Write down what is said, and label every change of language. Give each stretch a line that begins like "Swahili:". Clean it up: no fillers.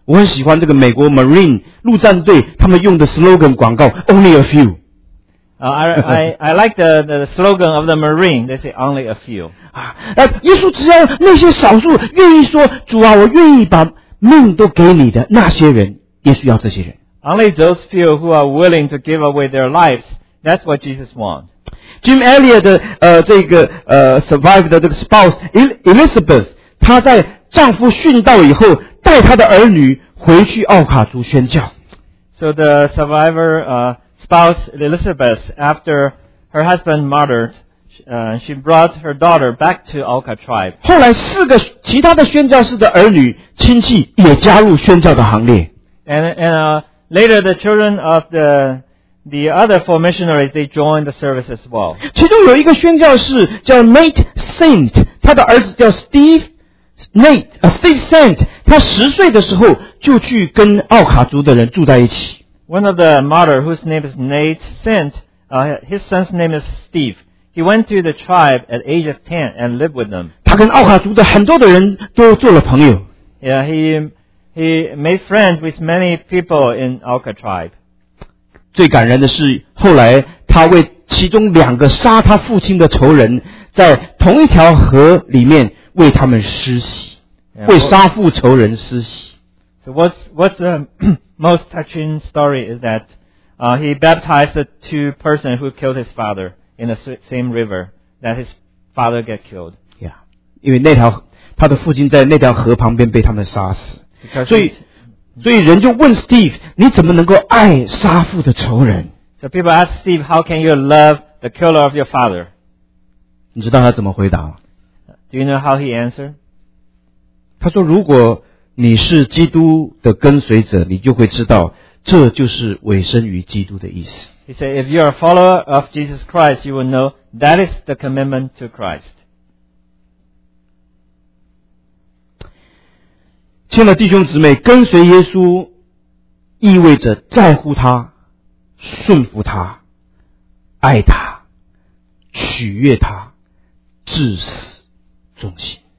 Chinese: 我很喜欢这个美国 Marine 陆战队他们用的 slogan 广告 ,
English: Only a few. I like the slogan of the Marine. They say only a few.
Chinese: 耶稣只要那些少数愿意说主啊，我愿意把命都给你的那些人，耶稣要这些人。
English: Only those few who are willing to give away their lives. That's what Jesus wants.
Chinese: Jim Elliot 的survived 的这个 spouse Elizabeth, 她在丈夫殉道以后，带她的儿女回去奥卡族宣教。
English: So the survivor, spouse Elizabeth, after her husband martyred, she brought her daughter back to Alka tribe.
Chinese: 后来四个其他的宣教士的儿女亲戚也加入宣教的行列。
English: And later the children of the other four missionaries, they joined the service as well.
Chinese: 其中有一个宣教士叫 Nate Saint, 他的儿子叫 Steve Saint, 他十岁的时候就去跟奥卡族的人住在一起。
English: One of the martyrs whose name is Nate Saint, his son's name is Steve. He went to the tribe at age of 10 and lived with them.
Chinese: 他跟奥卡族的很多的人都做了朋友。
English: Yeah, he made friends with many people in Aucca tribe.
Chinese: 最感人的是后来他为其中两个杀他父亲的仇人在同一条河里面为他们施洗。 Yeah, 为杀父仇人施洗。
English: So what's the most touching story is that, he baptized the two persons who killed his father in the same river that his father got killed. Yeah.
Chinese: 因为那条他的父亲在那条河旁边被他们杀死。所以人就问 Steve, 你怎么能够爱杀父的仇人?
English: So people ask Steve, how can you love the killer of your father?
Chinese: 你知道他怎么回答?
English: Do you know how he answered?
Chinese: 他说如果你是基督的跟随者，你就会知道这就是委身于基督的意思。
English: He said, if you are a follower of Jesus Christ, you will know that is the commitment to Christ.
Chinese: 亲爱的弟兄姊妹，跟随耶稣意味着在乎他、顺服他、爱他、取悦他、至死忠心。